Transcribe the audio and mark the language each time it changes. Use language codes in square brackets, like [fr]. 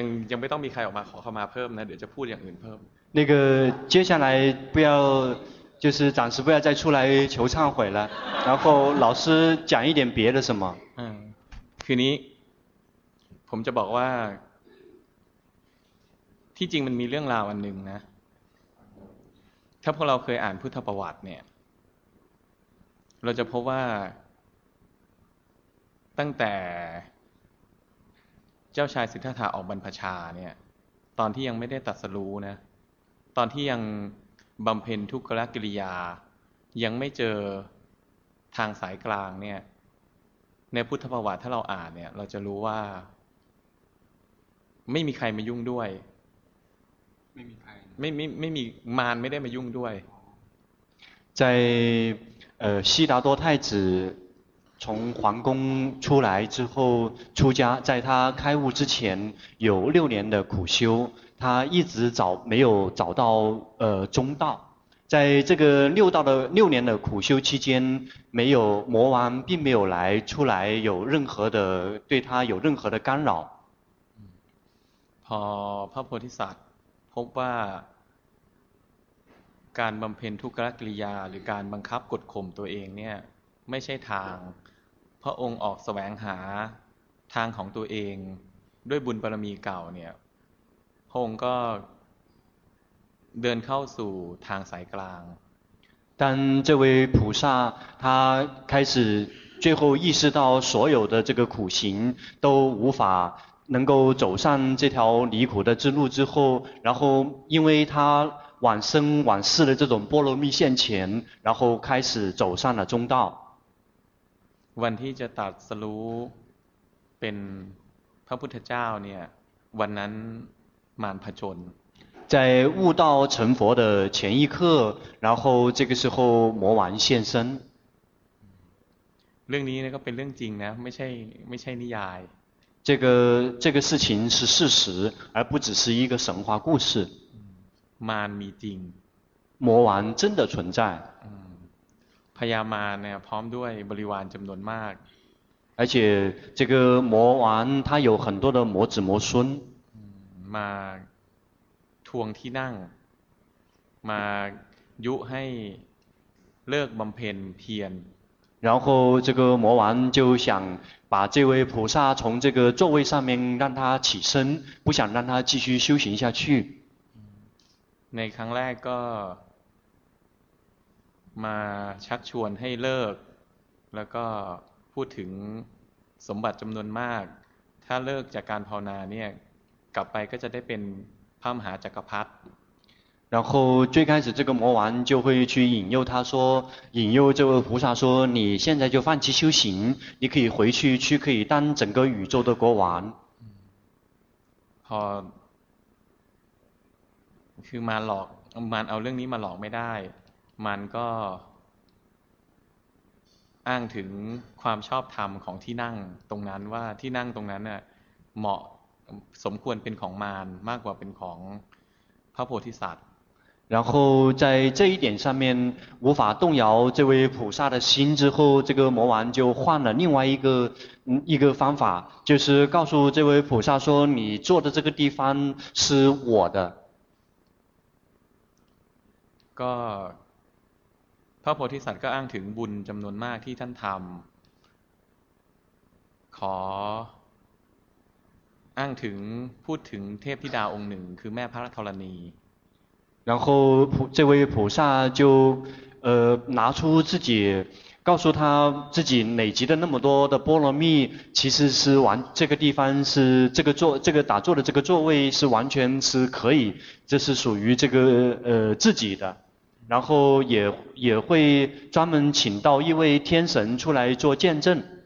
[th] ยังไม่ต้องมีใครออกมาขอขมาเพิ่มนะเดี๋ยวจะพูดอย่างอื่นเพิ่ม [zh] 那个接下来不要就是暂时不要再出来求忏悔了然后老师讲一点别的什么 [th] คือนี้ผมจะบอกว่าที่จริงมันมีเรื่องราวอันหนึ่งนะถ้าพวกเราเคยอ่านพุทธประวัติเนี่ยเราจะพบว่า ตั้งแต่เจ้าชายสิทธัตถะออกบรรพชาเนี่ยตอนที่ยังไม่ได้ตรัสรู้นะตอนที่ยังบำเพ็ญทุกขกิริยายังไม่เจอทางสายกลางเนี่ยในพุทธประวัติถ้าเราอ่านเนี่ยเราจะรู้ว่าไม่มีใครมายุ่งด้วย ไม่มีใคร ไม่มีมารไม่ได้มายุ่งด้วย ใจ [zh] 悉达多太子从皇宫出来之后出家在他开悟之前有六年的苦修他一直找没有找到中道在这个六年的苦修期间没有魔王并没有来出来有任何的对他有任何的干扰 [th] พอพระโพธิสัตว์พบว่าการบำเพ็ญทุกขกิริยาหรือการบังคับกดข่มตัวเองเนี่ยไม่ใช่ทางพระองค์ออกแสวงหาทางของตัวเองด้วยบุญบารมีเก่าเนี่ยพระองค์ก็เดินเข้าสู่ทางสายกลาง [zh] 但这位菩萨他开始最后意识到所有的这个苦行都无法能够走上这条离苦的之路之后然后因为他往生往世的这种波罗蜜现前然后开始走上了中道 [th] วันที่จะตรัสรู้เป็นพระพุทธเจ้าเนี่ยวันนั้นมารผจญ [zh] 在悟道成佛的前一刻然后这个时候魔王现身 [th] เรื่องนี้ก็เป็นเรื่องจริงนะไม่ใช่นิยาย [zh] 这个事情是事实而不只是一个神话故事 [th] มารมีจริง [zh] 魔王真的存在 [th] พญามารเนี่ยพร้อมด้วยบริวารจำนวนมาก [zh] 而且这个魔王他有很多的魔子魔孙 [th] มาท วงที่นั่งมายุให้เลิกบำเพ็ญเพียร [zh] 然后这个魔王就想把这位菩萨从这个座位上面让他起身不想让他继续修行下去 [th] ในครั้งแรกก็มาชักชวนให้เลิกแล้วก็พูดถึงสมบัติจำนวนมากถ้าเลิกจากการภาวนาเนี่ยกลับไปก็จะได้เป็นพระมหาจักรพรรดิ [zh] 然后最开始这个魔王就会去引诱他说引诱这位菩萨说你现在就放弃修行你可以回去去可以当整个宇宙的国王 [th] พอคือมาหลอกมันเอาเรื่องนี้มาหลอกไม่ได้มันก็อ้างถึงความชอบธรรมของที่นั่งตรงนั้นว่าที่นั่งตรงนั้นน่ะเหมาะสมควรเป็นของมารมากกว่าเป็นของพระโพธิสัตว์ [zh] 然后在这一点上面无法动摇这位菩萨的心之后这个魔王就换了另外一个方法就是告诉这位菩萨说你坐的这个地方是我的 [th] ก็พระโพธิสัตว์ก็อ้างถึงบุญจำนวนมากที่ท่านทำขออ้างถึงพูดถึงเทพธิดาองค์หนึ่งคือแม่พระธรณี [zh] 然后这位菩萨就拿出自己告诉他自己累积的那么多的波罗蜜其实是完这个地方是这个座这个打坐的这个座位是完全是可以这是属于这个自己的然后也会专门请到一位天神出来做见证